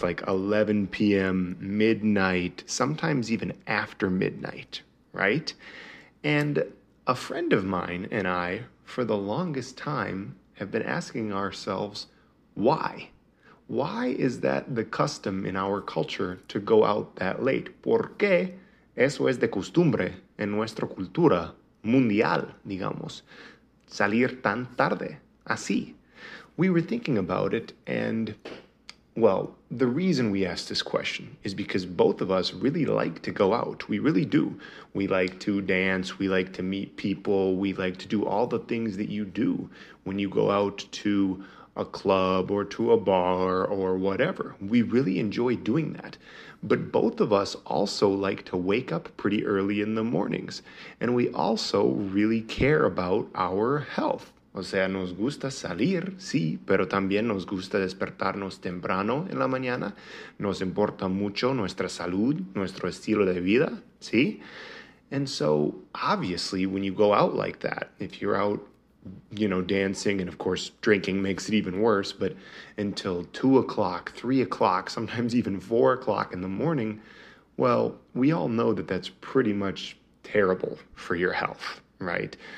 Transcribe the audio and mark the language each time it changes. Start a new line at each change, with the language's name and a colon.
English: Like 11 p.m., midnight, sometimes even after midnight, right? And a friend of mine and I, for the longest time, have been asking ourselves, why? Why is that the custom in our culture to go out that late?
Spanish: ¿Por qué eso es de costumbre en nuestra cultura mundial, digamos, salir tan tarde? Así.
English: We were thinking about it, and, well, the reason we asked this question is because both of us really like to go out. We really do. We like to dance. We like to meet people. We like to do all the things that you do when you go out to a club or to a bar or whatever. We really enjoy doing that. But both of us also like to wake up pretty early in the mornings. And we also really care about our health.
Spanish: O sea, nos gusta salir, sí, pero también nos gusta despertarnos temprano en la mañana. Nos importa mucho nuestra salud, nuestro estilo de vida, sí.
English: And so, obviously, when you go out like that, if you're out, you know, dancing, and of course, drinking makes it even worse, but until 2 o'clock, 3 o'clock, sometimes even 4 o'clock in the morning, well, we all know that that's pretty much terrible for your health. Right?